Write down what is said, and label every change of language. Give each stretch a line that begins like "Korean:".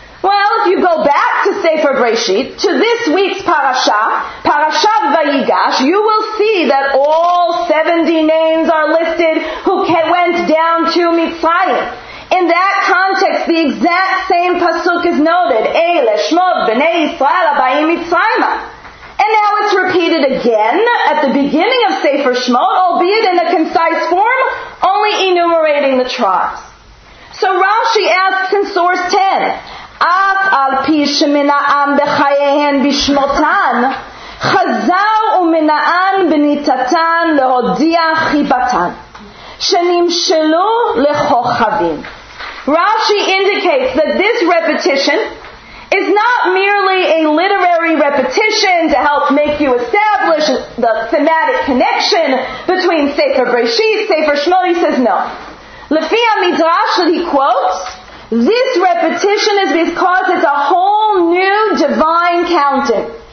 English: Well, if you go back to Sefer Breishit, to this week's parasha, Parashat Vayigash, you will see that all 70 names are listed who went down to Mitzrayim. In that context, the exact same pasuk is noted,
Hebrew: Eile Shmot B'nei Yisrael Abayim Mitzrayim.
English: And now it's repeated again at the beginning of Sefer Shmot, albeit in a concise form, only enumerating the tribes.
Hebrew: So Rashi asks in source 10, אף על פי שמנען בחייהן בשמותן, חזר ומנען בניתתן להודיע חיבתן, שנמשלו לכוכבים.
English: Rashi indicates that this repetition is not merely a literary repetition to help make you establish the thematic connection between Sefer Breshit, Sefer Shmuel. He says no. Lefi HaMidrash that he quotes, this repetition is because it's a whole new divine counting.